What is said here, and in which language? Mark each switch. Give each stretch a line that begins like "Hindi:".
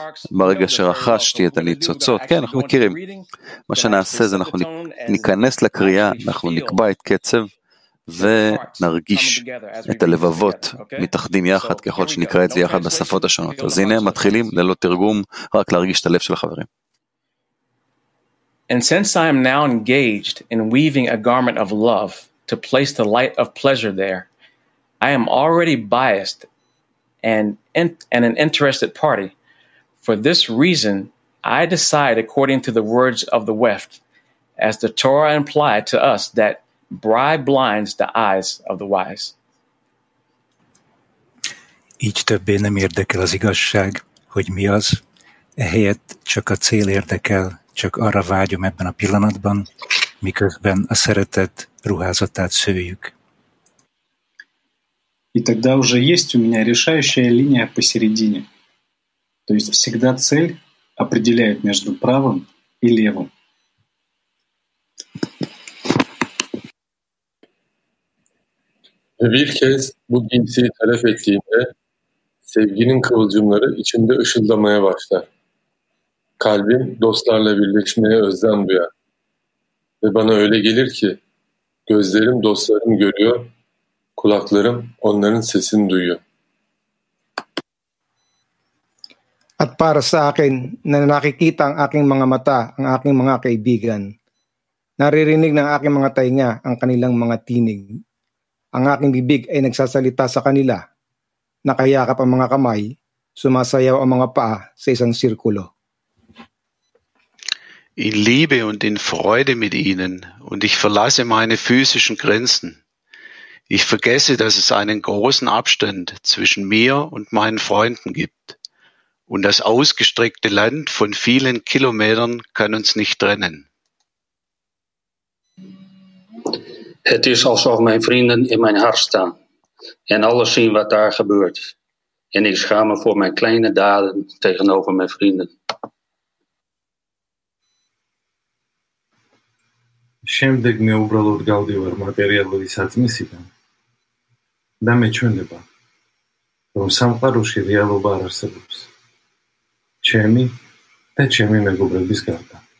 Hebrew: ברגע שרחשתי את הניצוצות, כן, אנחנו מכירים. מה שנעשה זה אנחנו ניכנס לקריאה, אנחנו נקבע את קצב, ונרגיש את הלבבות מתאחדים יחד ככל שנקרא את זה יחד בשפות השונות. אז הנה מתחילים ללא תרגום, רק להרגיש את הלב של החברים.
English: And since I am now engaged in weaving a garment of love to place the light of pleasure there, I am already biased and an interested party. For this reason, I decide according to the words of the weft, as the Torah implied to us that bribe blinds the eyes of the wise.
Hungarian: Így többé nem érdekel az igazság, hogy mi az, ehelyett csak a cél érdekel, csak arra vágyom ebben a pillanatban, miközben a szeretet ruházatát szőjük.
Russian: И тогда уже есть у меня решающая линия посередине. То есть всегда цель определяет между правым и левым.
Turkish: Ve bir kez bu cinsiyi telef ettiğinde sevginin kıvılcımları içinde ışıldamaya başlar. Kalbim dostlarla birleşmeye özlem duyar. Ve bana öyle gelir ki gözlerim dostlarım görüyor, kulaklarım onların sesini duyuyor.
Filipino: At para sa akin na nakikita ang aking mga mata, ang aking mga kaibigan. Naririnig ng aking mga tainga ang kanilang mga tinig. Ang aking bibig ay nagsasalita sa kanila, nakayakap ang mga kamay, sumasayaw ang mga paa sa isang sirkulo.
German: In Liebe und in Freude mit ihnen und ich verlasse meine physischen Grenzen. Ich vergesse, dass es einen großen Abstand zwischen mir und meinen Freunden gibt und das ausgestreckte Land von vielen Kilometern kann uns nicht trennen.
Dutch: Het is alsof mijn vrienden in mijn hart staan en alles zien wat daar gebeurt. En ik schaam me voor mijn kleine daden tegenover mijn vrienden.
Georgian: შემდეგ მე უბრალოდ გავდივარ მატერიალური საწმისიდან და მეჩვენება რომ სამყაროში რეალობა არ არსებობს ჩემი და ჩემი მეგობრების გარდა.